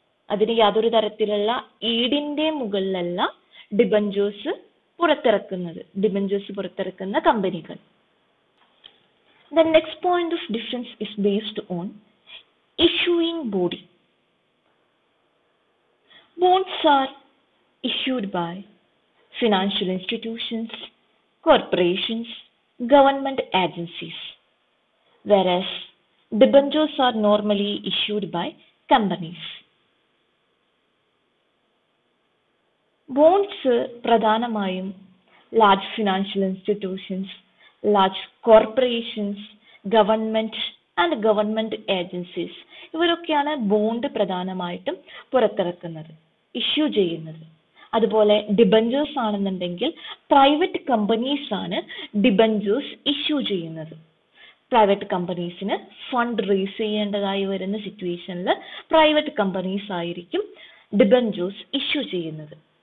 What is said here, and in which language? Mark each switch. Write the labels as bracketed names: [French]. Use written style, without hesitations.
[Malayalam] അതിന് യാതൊരു തരത്തിലുള്ള ഈടിന്റെ മുകളിലല്ല ഡിബഞ്ചേഴ്സ് പുറത്തിറക്കുന്നത്, ഡിബഞ്ചേഴ്സ് പുറത്തിറക്കുന്ന കമ്പനികൾ. [English] The next point of difference is based on issuing body. Bonds are issued by financial institutions, corporations, government agencies, whereas debentures are normally issued by companies. Bonds [Malayalam] pradhanamayum [English] large financial institutions, large corporations, government and government agencies [Malayalam] ivarokkeyana [English] bond [Malayalam] pradhanamayittum purathirakkunnathu [English] issue [Malayalam] cheyyunnathu. അതുപോലെ debentures ആണെന്നുണ്ടെങ്കിൽ private companies ആണ് debentures issue ചെയ്യുന്നത്. Private കമ്പനീസിന് fund raise ചെയ്യേണ്ടതായി വരുന്ന സിറ്റുവേഷനിൽ private companies ആയിരിക്കും debentures issue ചെയ്യുന്നത്.